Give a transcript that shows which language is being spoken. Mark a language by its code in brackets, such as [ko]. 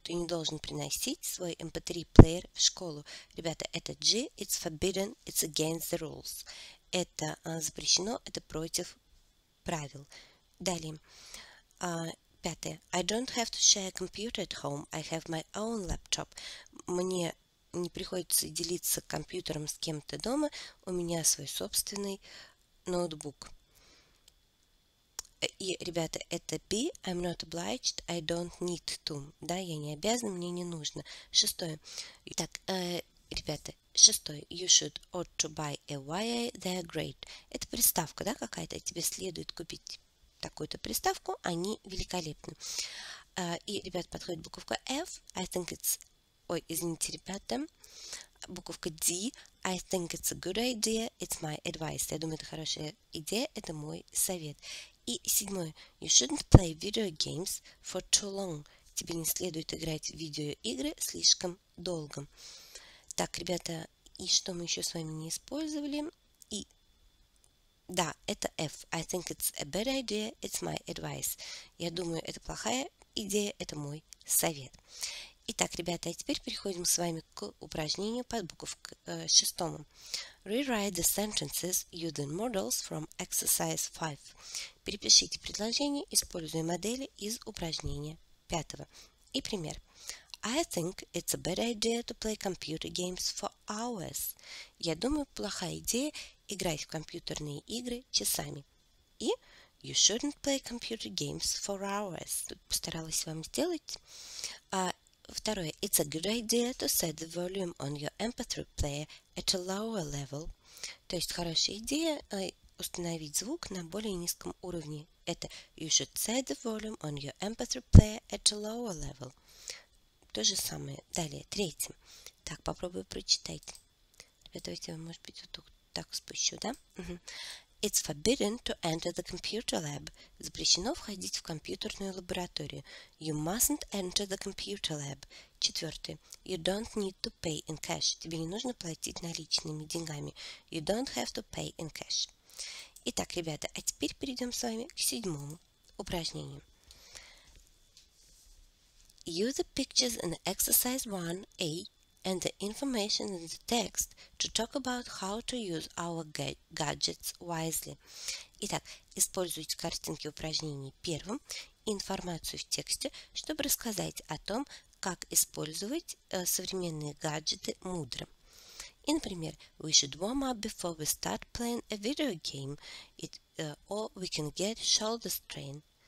[ru] Ты не должен приносить свой MP3 player в школу. Ребята, это G. [en] It's forbidden. It's against the rules. [ru] Это запрещено. Это против правил. Далее. Пятое. [en] I don't have to share a computer at home. I have my own laptop. [ru] Мне не приходится делиться компьютером с кем-то дома. У меня свой собственный ноутбук. И, ребята, это [en] B. I'm not obliged. I don't need to. [ru] Да, я не обязана, мне не нужно. Шестое. Итак, ребята, шестое. [en] You should ought to buy a wire. They're great. [ru] Это приставка, да, какая-то. Тебе следует купить такую-то приставку, они великолепны. И, ребят, подходит буковка F. [en] I think it's... [ru] Ой, извините, ребята. Буковка D. [en] I think it's a good idea. It's my advice. [ru] Я думаю, это хорошая идея. Это мой совет. И седьмое. [en] You shouldn't play video games for too long. [ru] Тебе не следует играть в видеоигры слишком долго. Так, ребята, и что мы еще с вами не использовали? И... Да, это [en] F. I think it's a bad idea. It's my advice. [ru] Я думаю, это плохая идея. Это мой совет. Итак, ребята, а теперь переходим с вами к упражнению под буковкой шестому. [en] Rewrite the sentences using models from exercise 5. [ru] Перепишите предложение, используя модели из упражнения пятого. И пример. [en] I think it's a bad idea to play computer games for hours. [ru] Я думаю, плохая идея играть в компьютерные игры часами. [en] И you shouldn't play computer games for hours. [ru] Тут постаралась вам сделать. Второе. [en] It's a good idea to set the volume on your MP3 player at a lower level. [ru] То есть хорошая идея установить звук на более низком уровне. Это [en] you should set the volume on your MP3 player at a lower level. [ru] То же самое. Далее, третье. Так, попробую прочитать. Ребята, я, может быть, вот так спущу, да? [en] It's forbidden to enter the computer lab. [ru] Запрещено входить в компьютерную лабораторию. [en] You mustn't enter the computer lab. [ru] Четвертое. [en] You don't need to pay in cash. [ru] Тебе не нужно платить наличными деньгами. [en] You don't have to pay in cash. [ru] Итак, ребята, а теперь перейдем с вами к седьмому упражнению. [en] Use the pictures in exercise 1A and the information in the text to talk about how to use our gadgets wisely. [ru] Итак, используйте картинки упражнений первым, информацию в тексте, чтобы рассказать о том, как использовать современные гаджеты мудро. И, например, [en] we should warm up before we start playing a video game, or we can get shoulder strain.